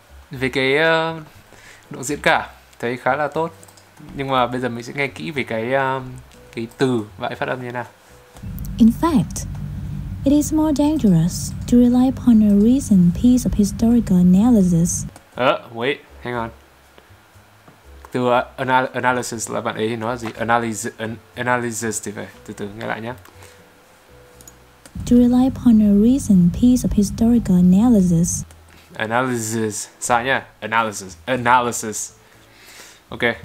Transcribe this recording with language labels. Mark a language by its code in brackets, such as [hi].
[vi] Về cái độ diễn cả thấy khá là tốt, nhưng mà bây giờ mình sẽ nghe kỹ về cái từ và phát âm như thế nào. [en] In fact, it is more dangerous to rely upon a recent piece of historical analysis. Wait, hang on. [vi] Từ analysis là bạn ấy nói gì? Analysis thì phải. Từ từ, nghe lại nhé. [en] To rely upon a recent piece of historical analysis. [vi] Analysis. Sai nhé. Analysis. Ok.